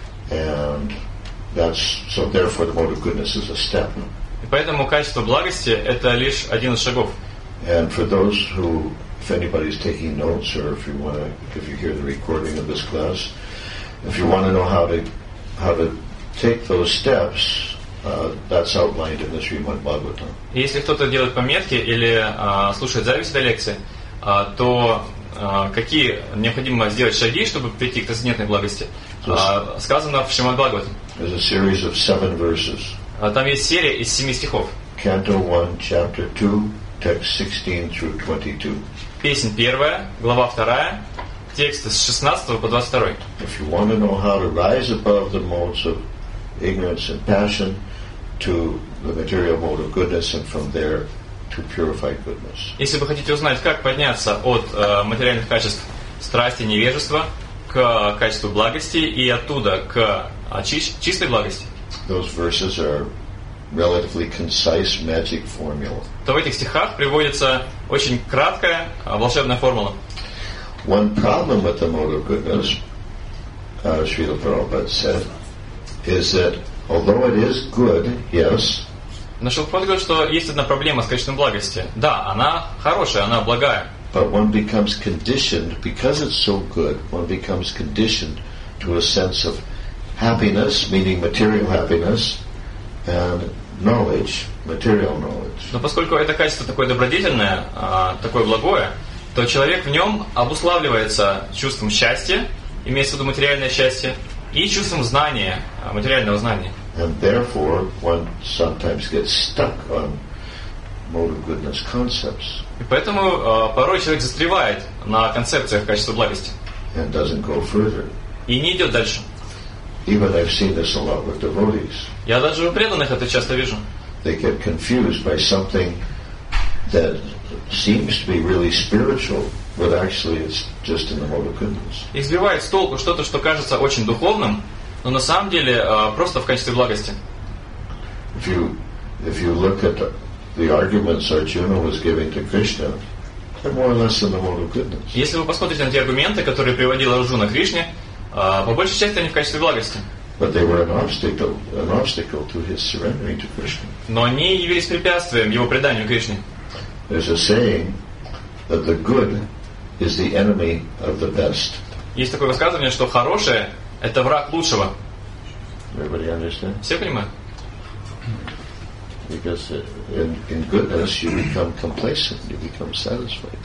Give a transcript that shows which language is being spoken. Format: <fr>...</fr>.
<en>And that's so therefore the mode of goodness is a step.</en> <ru>И поэтому качество благости это лишь один из шагов.</ru> <en>And for those who, if anybody's taking notes or if you want to, if you hear the recording of this class, if you want to know how to take those steps, that's outlined in the Srimad Bhagavatam.</en> <ru>Если кто-то делает пометки или слушает запись этой лекции, то какие необходимо сделать шаги, чтобы прийти к трансцендентной благости, сказано в Шримад Бхагаватам.</ru> <en>There's a series of seven verses.</en> <ru>Там есть серия из семи стихов.</ru> <en>Canto 1, chapter 2, text 16 through 22.</en> <ru>Песнь первая, глава вторая, тексты с 16 по 22.</ru> <en>If you want to know how to rise above the modes of ignorance and passion to the material mode of goodness and from there to purified goodness.</en> <ru>Если вы хотите узнать, как подняться от материальных качеств страсти, невежества к качеству благости и оттуда к чистой благости,</ru> <en>those verses are relatively concise magic formula.</en> <ru>То в этих стихах приводится очень краткая волшебная формула.</ru> <en>One problem with the mode of goodness, Srila Prabhupada said, is that although it is good, yes.</en> <ru>Но Шрила Прабхупада говорит, что есть одна проблема с качеством благости. Да, она хорошая, она благая.</ru> <en>But one becomes conditioned, because it's so good, one becomes conditioned to a sense of happiness, meaning material happiness, and knowledge, material knowledge.</en> <ru>Но поскольку это качество такое добродетельное, такое благое, то человек в нем обуславливается чувством счастья, имеется в виду материальное счастье, и чувством знания, материального знания.</ru> <en>And therefore, one sometimes gets stuck on mode of goodness concepts.</en> <ru>И поэтому порой человек застревает на концепциях качества благости.</ru> <en>And doesn't go further.</en> <ru>И не идет дальше.</ru> <en>Even I've seen this a lot with devotees.</en> <ru>Я даже у преданных это часто вижу.</ru> <en>They get confused by something that seems to be really spiritual, but actually it's just in the mode of goodness.</en> <ru>Их сбивает с толку что-то, что кажется очень духовным, но на самом деле просто в качестве благости.</ru> <en>If you look at the arguments Arjuna was giving to Krishna, they're more or less in the mode of goodness.</en> <ru>Если вы посмотрите на те аргументы, которые приводил Арджуна Кришне, по большей части они в качестве благости.</ru> <en>But they were an obstacle to his surrendering to Krishna.</en> <ru>Но они явились препятствием его преданию Кришне.</ru> <en>There's a saying that the good is the enemy of the best.</en> <ru>Есть такое высказывание, что хорошее — это враг лучшего.</ru> <en>Everybody understand?</en> <ru>Все понимают?</ru> <en>Because in goodness you become complacent, you become satisfied.</en>